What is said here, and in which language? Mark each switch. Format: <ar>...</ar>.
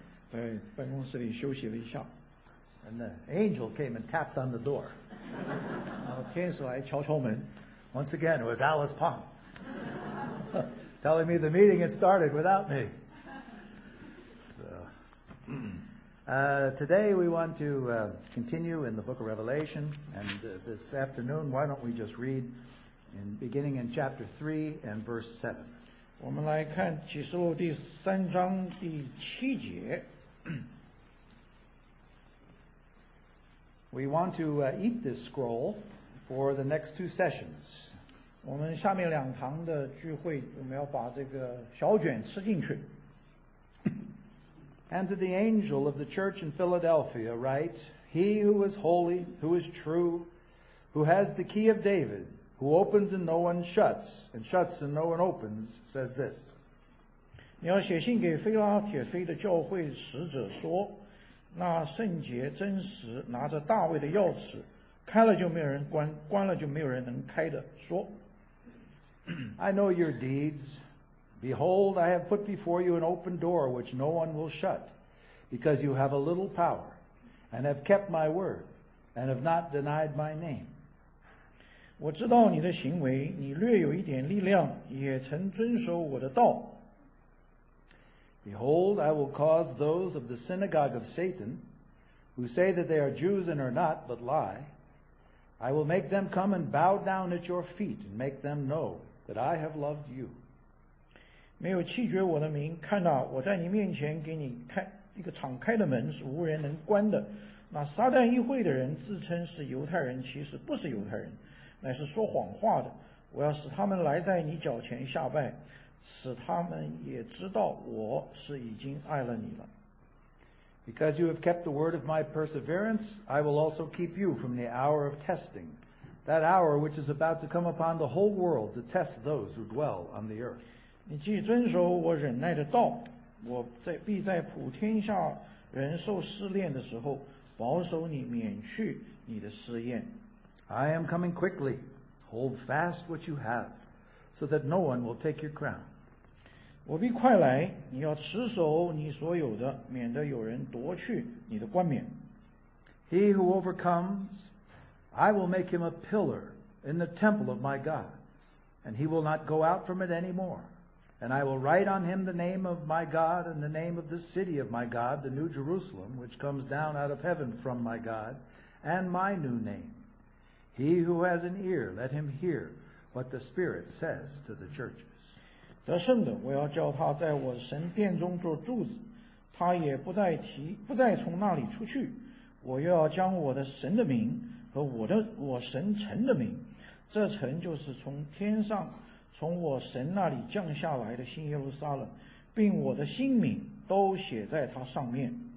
<zh>在办公室里休息了一下。</zh> <en>And the angel came and tapped on the door.</en> <zh>然后天使来敲敲门。</zh> <en>Once again, it was Alice Pong. Telling me the meeting had started without me. Today we want to continue in the book of Revelation, and this afternoon, why don't we just read in beginning in chapter 3 and verse 7.</en> <zh>我们来看启示录第三章第七节。</zh> <en>We want to eat this scroll for the next two sessions.</en> <zh>我们下面两堂的聚会，我们要把这个小卷吃进去。</zh> <en>And to the angel of the church in Philadelphia write, He who is holy, who is true, who has the key of David, who opens and no one shuts, and shuts and no one opens, says this.</en> <zh>你要写信给腓拉铁菲的教会使者说，那圣洁真实拿着大卫的钥匙，开了就没有人关，关了就没有人能开的说。</zh> <en>I know your deeds. Behold, I have put before you an open door which no one will shut, because you have a little power, and have kept my word, and have not denied my name.</en> <zh>我知道你的行为，你略有一点力量，也曾遵守我的道。</zh> <en>Behold, I will cause those of the synagogue of Satan, who say that they are Jews and are not, but lie, I will make them come and bow down at your feet, and make them know that I have loved you.</en> <zh>没有弃绝我的名，看到我在你面前给你开一个敞开的门，是无人能关的。那撒旦议会的人自称是犹太人，其实不是犹太人，乃是说谎话的。我要使他们来在你脚前下拜，使他们也知道我是已经爱了你了。</zh> <en>Because you have kept the word of my perseverance, I will also keep you from the hour of testing, that hour which is about to come upon the whole world to test those who dwell on the earth.</en> <zh>你既遵守我忍耐的道，我在必在普天下人受试炼的时候，保守你免去你的试验。</zh> <en>I am coming quickly. Hold fast what you have, so that no one will take your crown.</en> <zh>我必快来，你要持守你所有的，免得有人夺去你的冠冕。</zh> <en>He who overcomes, I will make him a pillar in the temple of my God, and he will not go out from it anymore. And I will write on him the name of my God and the name of the city of my God, the New Jerusalem, which comes down out of heaven from my God, and my new name. He who has an ear, let him hear what the Spirit says to the churches.</en> <zh>得胜的，我要叫他在我神殿中做柱子，他也不再从那里出去。我又要将我的神的名和我神城的名，这城就是从天上从我神那里降下来的新耶路撒冷，并我的新名都写在它上面。</zh>